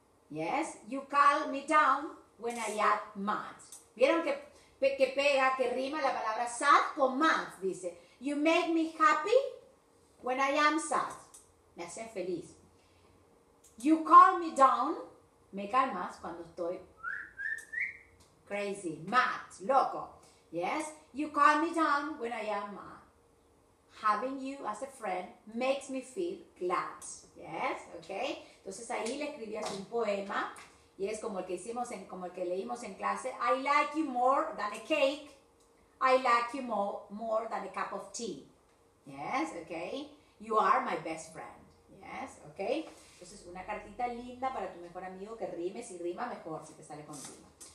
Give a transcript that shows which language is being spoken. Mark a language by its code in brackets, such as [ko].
[en] Yes, you calm me down when I am mad. [es] ¿Vieron que pega, que rima la palabra sad con mad? [en] Dice, you make me happy when I am sad. [es] Me hace feliz. [en] You calm me down, [es] me calmas cuando estoy [en] crazy, mad, loco. Yes, you calm me down when I am mad. Having you as a friend makes me feel glad. Yes, okay. [es] Entonces ahí le escribías un poema y es como el que hicimos en, como el que leímos en clase. [en] I like you more than a cake. I like you more than a cup of tea. Yes, okay. You are my best friend. Yes, okay. [es] Entonces una cartita linda para tu mejor amigo que rime, si rima mejor, si te sale con rima.